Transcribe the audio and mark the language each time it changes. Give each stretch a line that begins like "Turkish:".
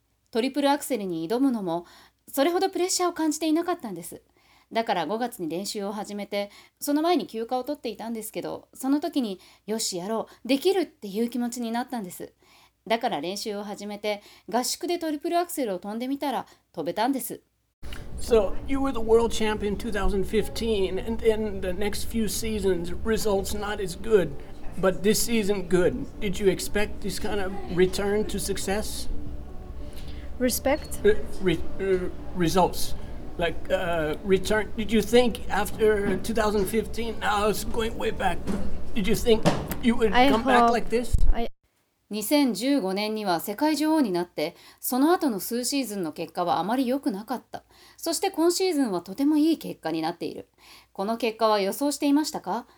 Japanese: トリプルアクセルに挑むのも、それほどプレッシャーを感じていなかったんです。だから5月に練習を始めて、その前に休暇を取っていたんですけど、その時によしやろう、できるっていう気持ちになったんです。だから練習を始めて、合宿でトリプルアクセルを飛んでみたら、飛べたんです。
English: So, you were the world champion 2015, and then the next few seasons, results not as good, but this season good. Did you expect this kind of return to success? Respect? Results. Like, return. Did you think after 2015, now it's going way back, did you think you would come back like this?
Japanese: 2015年には世界女王になって、その後の数シーズンの結果はあまり良くなかった。そして今シーズンはとてもいい結果になっている。この結果は予想していましたか？